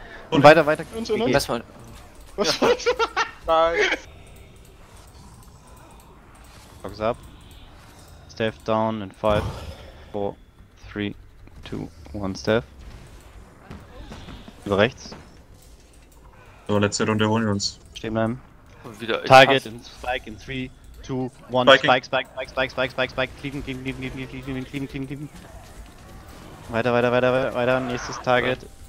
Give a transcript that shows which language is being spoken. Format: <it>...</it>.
<de>und weiter,</de> <en>Box up. Step down in 5, 4, 3, 2, 1, step.</en> <de>Über rechts. So, letzte Runde holen wir uns. Stehen bleiben.</de> <en>Target in Spike in 3, 2, 1, Spike, cleaven.</en> <de>Weiter, nächstes Target.</de>